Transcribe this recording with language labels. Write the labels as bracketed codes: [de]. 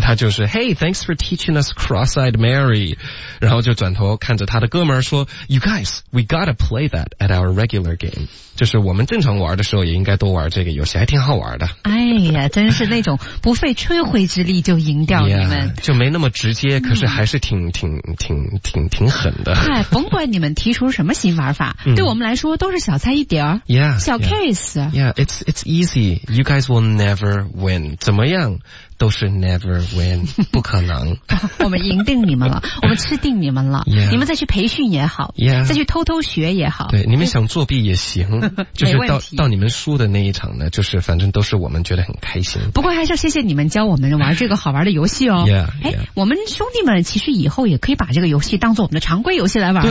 [zh] 所以他就是 [en] Hey, thanks for teaching us cross-eyed Mary [zh] 然后就转头看着他的哥们儿说 [en] You guys, we gotta play that at our regular game [zh] 就是我们正常玩的时候也应该多玩这个游戏还挺好玩的哎呀真是那种不费吹灰之力就赢掉你们 yeah, 就没那么直接可是还是挺狠的哎，甭管你们提出什么新玩法对我们来说都是小菜一碟 [en] yeah, [zh] 小 case [en] yeah, yeah, it's easy You guys will never win [zh] 怎么样都是 [en] never win, [zh] 不可能。我们赢定你们了，我们吃定你们了。 [en] Yeah. [zh] 你们再去培训也好， [en] yeah. [zh] 再去偷偷学也好。对，你们想作弊也行，就是到你们输的那一场呢，就是反正都是我们觉得很开心。不过还是要谢谢你们教我们玩这个好玩的游戏哦。 [en] Yeah, yeah. [zh] 我们兄弟们其实以后也可以把这个游戏当做我们的常规游戏来玩嘛。